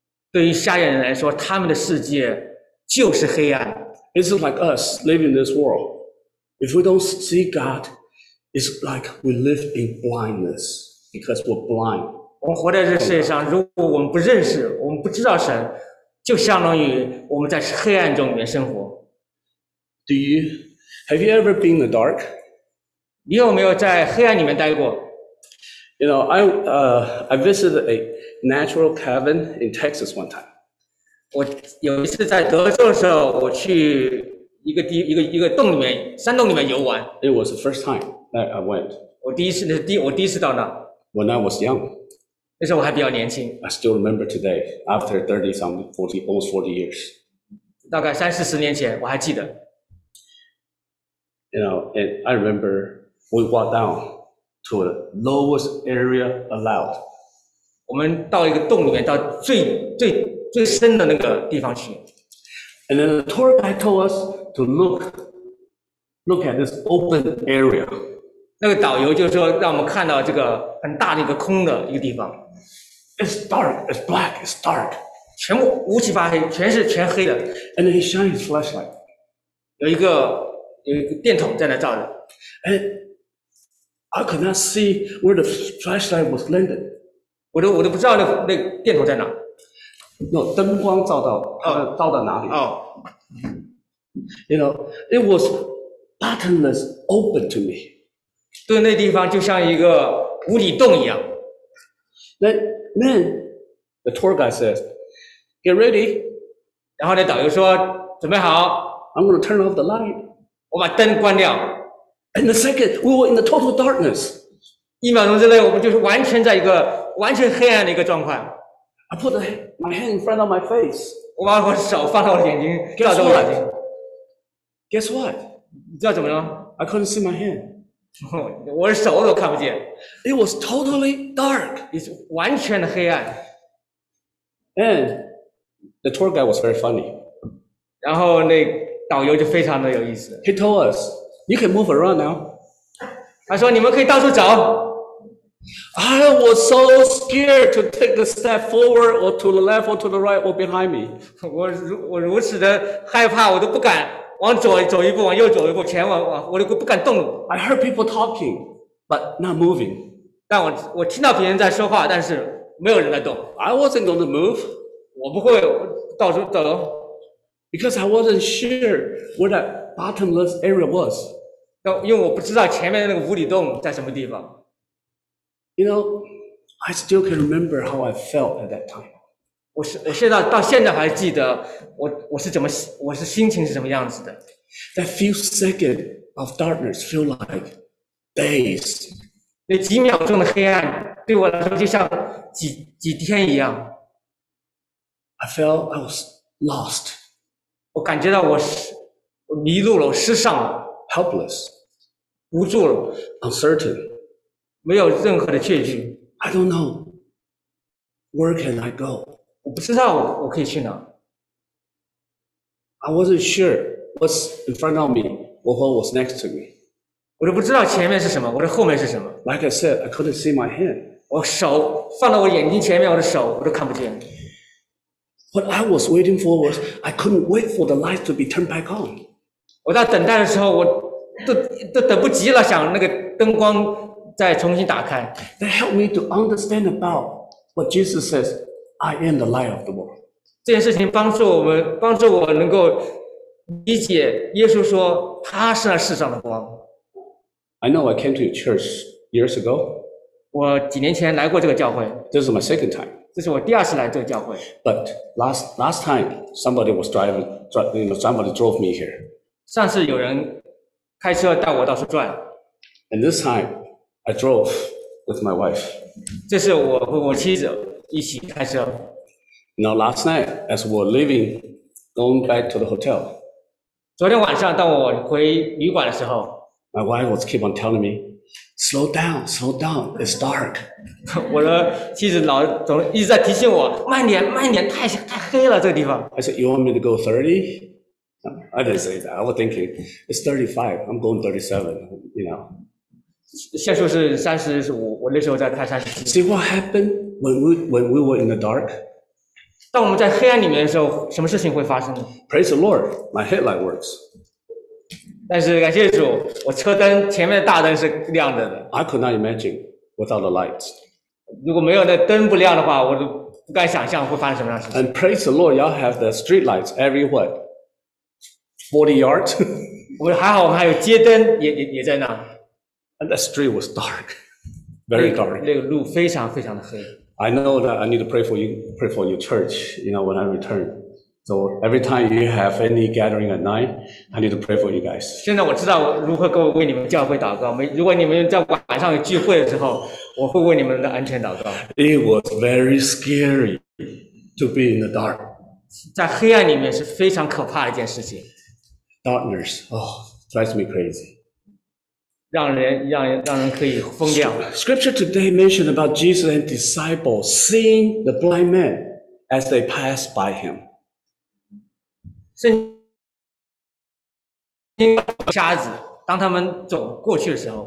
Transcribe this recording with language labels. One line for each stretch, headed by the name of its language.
Chinese: 对于瞎眼人来说，他们的世界就是黑暗。
English: It's like us living in this world. If we don't see God, it's like we live in blindness because we're blind.
Chinese: 我们活在这世界上，如果我们不认识，我们不知道神，就相当于我们在黑暗中面生活。
English: Have you ever been in the dark?
Chinese: 你有没有在黑暗里面待过？
English: You know, I visited a natural cabin in Texas one time.
Chinese: 我有一次在德州的时候，我去一个洞里面，山洞里面游玩。
English: It was the first time that I went.
Chinese: 我第一次到那。
English: When I was young.
Chinese: 那时候我还比较年轻。
English: I still remember today, after 40 years.
Chinese: 大概三四十年前，我还记得。
English: You know, and I remember we walked down to the lowest area allowed.
Chinese: 我们到一个洞里面，到最深的那个地方去。
English: And then the tour guide told us to look at this open area.
Chinese: 那个导游就说让我们看到这个很大的一个空的一个地方。
English: It's dark, it's black, it's dark.
Chinese: 全部乌漆八黑，全黑的。
English: And then he shined his flashlight.
Chinese: 有一个电筒在那照着。
English: And I could not see where the flashlight was landed.
Chinese: 我都不知道那电筒在哪。
English: No,
Chinese: 灯光照到、照到哪里、
English: You know, it was bottomless open to me.
Chinese: 对那地方就像一个无底洞一样。
English: Then, the tour guide says, get ready.
Chinese: 然后那导游说准备好。
English: I'm going to turn off the light.
Chinese: 我把灯关掉。
English: And the second, we were in the total darkness.
Chinese: 一秒钟之内我们就是完全在一个完全黑暗的一个状况。
English: I put my hand in front of my face.
Chinese: 我把我手放到我眼睛，照着我眼睛。
English: Guess what?
Chinese: 你知道怎么了
English: ？I couldn't see my hand.
Chinese: 我的手都看不见。
English: It was totally dark. It's
Chinese: 完全的黑暗。
English: And the tour guide was very funny.
Chinese: 然后那导游就非常的有意思。
English: He told us, "You can move around now."
Chinese: 他说你们可以到处走。
English: I was so scared to take the step forward or to the left or to the right or behind me.
Chinese: 我如此的害怕，我都不敢往左走一步，往右走一步，前往我都不敢动。
English: I heard people talking, but not moving.
Chinese: 但我听到别人在说话，但是没有人在动。
English: I wasn't going to move.
Chinese: 我不会到处走。
English: Because I wasn't sure where that bottomless area was.
Chinese: 因为我不知道前面那个无底洞在什么地方。
English: You know, I still can remember how I felt at that time.
Chinese: 我现在到现在还记得我是心情是什么样子的。
English: That few seconds of darkness feel like days.
Chinese: 那几秒钟的黑暗对我来说就像几天一样。
English: I felt I was lost.
Chinese: 我感觉到我迷路了，我失上了。
English: Helpless.
Chinese: 无助了。
English: Uncertain.
Chinese: 没有任何的确据。
English: I don't know. Where can I go?
Chinese: 我不知道 我可以去哪。
English: I wasn't sure what's in front of me or what was next to me.
Chinese: 我都不知道前面是什么，我的后面是什么。
English: Like I said, I couldn't see my hand.
Chinese: 我手放到我眼睛前面，我的手我都看不见。
English: What I was waiting for was I couldn't wait for the light to be turned back on.
Chinese: 我在等待的时候，我都等不及了，想那个灯光再重新打开。
English: That helped me to understand about what Jesus says. I am the light of the world.
Chinese: 这件事情帮助我们，帮助我能够理解耶稣说他是那世上的光。
English: I know I came to your church years ago.
Chinese: 我几年前来过这个教会。
English: This is my second time.
Chinese: 这是我第二次来这个教会。
English: But last time somebody was somebody drove me here.
Chinese: 上次有人开车带我到处转。
English: And this time I drove with my wife.
Chinese: 这是我和我妻子一起开车。
English: Now last night as we were leaving, going back to the hotel.
Chinese: 昨天晚上当我回旅馆的时候
English: ，My wife was keep on telling me. Slow down, slow down. It's dark.
Chinese: 我的妻子老总一直在提醒我，慢点，慢点，太黑了这个地方。
English: I said, you want me to go 30? I didn't say that. I was thinking it's 35. I'm going 37. You know.
Chinese: 限速是35。我那时候在开三十。
English: See what happened when we were in the dark?
Chinese: 当我们在黑暗里面的时候，什么事情会发生呢
English: ？Praise the Lord, my headlight works.
Chinese: 但是感谢主，我车灯前面的大灯是亮着的。
English: I could not imagine without the light.
Chinese: 如果没有那灯不亮的话，我都不敢想象会发生什么样的事情。
English: And praise the Lord, y'all have the street lights everywhere. 40 yards.
Chinese: 我还好，我们还有街灯也在那。
English: And the street was dark, very dark.
Chinese: 那个路非常非常的黑。
English: I know that I need to pray for your church. You know when I return. So every time you have any gathering at night, I need to pray for you guys.
Chinese: 现在我知道如何为你们教会祷告。如果你们在晚上聚会的时候，我会为你们的安全祷告。
English: It was very scary to be in the dark.
Chinese: 在黑暗里面是非常可怕的一件事情。
English: Darkness, oh, drives me crazy.
Chinese: 让人可以疯掉。
English: Scripture today mentioned about Jesus and disciples seeing the blind man as they passed by him.
Chinese: 瞎子，当他们走过去的时候